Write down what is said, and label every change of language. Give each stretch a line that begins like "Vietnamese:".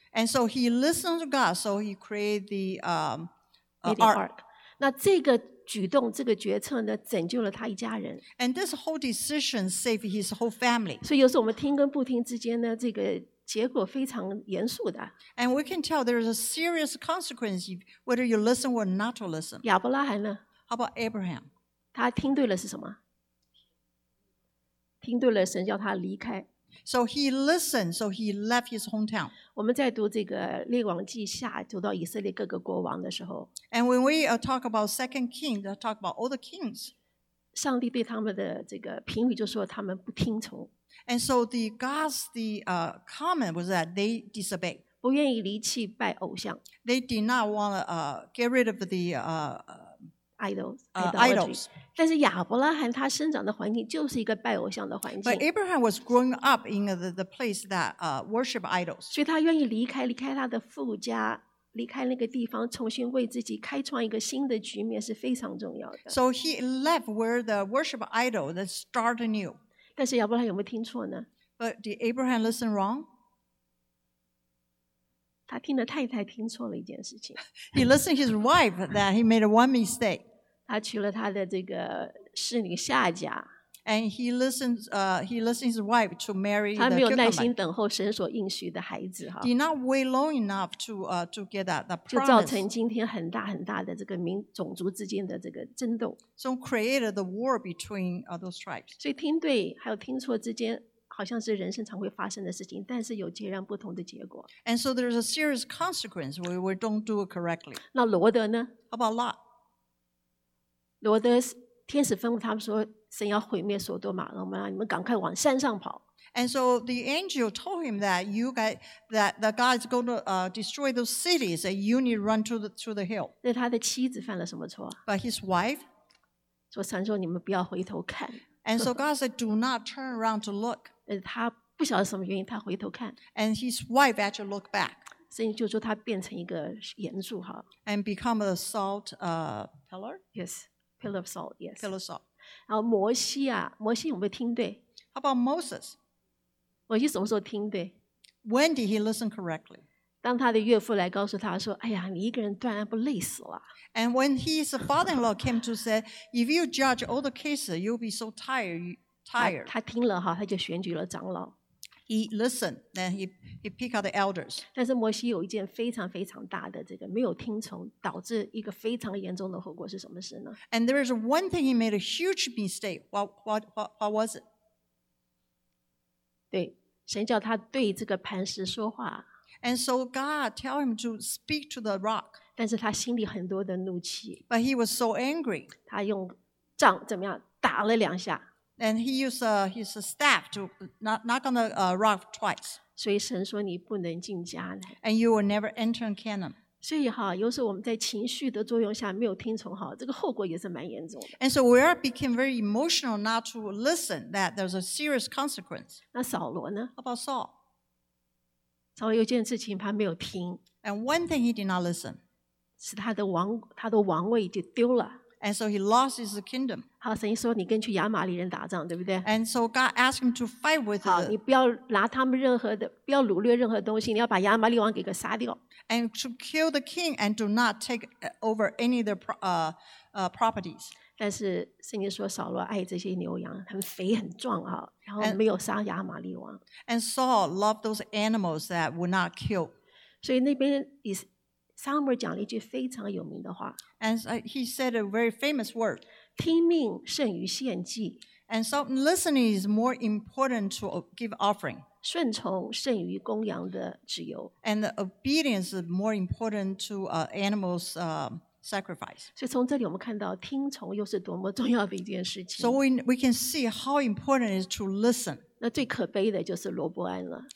English: And so he listened to God, so he created the
Chinese: ark。那这个。举动，这个决策呢，拯救了他一家人。
English: And this whole decision saved his whole family.
Chinese: 所以有时候我们听跟不听之间呢，这个结果非常严肃的。
English: And we can tell there is a serious consequence whether you listen or not to listen.
Chinese: 亚伯拉罕呢
English: ？How about Abraham?
Chinese: 他听对了是什么？听对了神叫他离开。
English: So he listened, so he left his hometown.
Chinese: 我们在读这个列王记下，读到以色列各个国王的时候。
English: And when we talk about Second Kings, talk about all the kings.
Chinese: 上帝对他们的这个评语就说他们不听从。
English: And so the God's the comment was that they disobeyed.
Chinese: 不愿意离弃拜偶像。
English: They did not want to get rid of the idols.
Chinese: 但是亚伯拉罕他生长的环境就是一个拜偶像的环境。
English: But Abraham was growing up in the place that worship idols.
Chinese: 所以他愿意离开，离开他的父家，离开那个地方，重新为自己开创一个新的局面是非常重要的。
English: So he left where the worship idol that start anew.
Chinese: 但是亚伯拉罕有没有听错呢？
English: But did Abraham listen wrong?
Chinese: 他听了太太听错了一件事情。
English: He listened his wife that he made one mistake.
Chinese: 他娶了他的这个侍女夏甲
English: ，and he listens, he listens his wife to marry.
Chinese: 他没有耐心等候神所应许的孩子哈。
English: Did not wait long enough to get that promise.
Chinese: 就造成今天很大很大的这个民种族之间的这个争斗。
English: So created the war between those tribes.
Chinese: 所以听对还有听错之间，好像是人生常会发生的事情，但是有截然不同的结果。
English: And so there's a serious consequence when we don't do it correctly.
Chinese: 那罗德呢
English: ？How about Lot?
Chinese: 罗德天使吩咐他们说神要毁灭索多玛蛾摩拉，你们赶快往山上跑。
English: And so the angel told him that you guys, that the God is going to destroy those cities, and you need to run to the hill.
Chinese: 那他的妻子犯了什么错？
English: But his wife?
Chinese: 说神说你们不要回头看。
English: And so God said, do not turn around to look.
Chinese: 他不晓得什么原因他回头看。
English: And his wife actually looked back.
Chinese: 所以就说他变成一个岩柱哈。
English: And become a salt pillar? Yes. Pillar of salt, yes. Pillar of salt.
Chinese: 然后摩西啊，摩西有没有听对
English: ？How about Moses?
Chinese: 摩西什么时候听对
English: ？When did he listen correctly?
Chinese: 当他的岳父来告诉他说：“哎呀，你一个人断案不累死了
English: ？”And when his father-in-law came to say, "If you judge all the cases, you'll be so tired."
Chinese: 他听了哈，他就选举了长老。
English: He listened, then he picked out the elders.
Chinese: 但是摩西有一件非常非常大的这个没有听从，导致一个非常严重的后果是什么事呢
English: ？And there is one thing he made a huge mistake. What was it?
Chinese: 对，神叫他对这个磐石说话。
English: And so God tell him to speak to the rock.
Chinese: 但是他心里很多的怒气。
English: But he was so angry.
Chinese: 他用杖怎么样打了两下。
English: And he used his staff to knock on the rock twice.
Chinese: 所以神说你不能进迦南。
English: And you will never enter Canaan.
Chinese: 所以哈，有时候我们在情绪的作用下没有听从哈，这个后果也是蛮严重的。
English: And so we are became very emotional not to listen. That there's a serious consequence.
Chinese: 那扫罗呢
English: ？How about Saul?
Chinese: 扫罗有件事情他没有听。
English: And one thing he did not listen.
Chinese: 是他的王位就丢了。
English: And so he lost his kingdom.
Chinese: 好，神说你跟去亚玛力人打仗，对不对
English: ？And so God asked him to fight with.
Chinese: 好，你不要拿他们任何的，不要掳掠任何东西，你要把亚玛力王给个杀掉。
English: And to kill the king and do not take over any of their properties.
Chinese: 但是圣经说扫罗爱这些牛羊，很肥很壮啊，然后没有杀亚玛力王。
English: And Saul loved those animals that would not kill.
Chinese: 所以那边以撒母耳讲了一句非常有名的话
English: ，and he said a very famous word，
Chinese: 听命胜于献祭
English: ，and so listening is more important to give offering，
Chinese: 顺从胜于公羊的脂油
English: ，and obedience is more important to animals' sacrifice。
Chinese: 所以从这里我们看到听从又是多么重要的一件事情。
English: So we can see how important it is to listen。
Chinese: 那最可悲的就是罗伯安了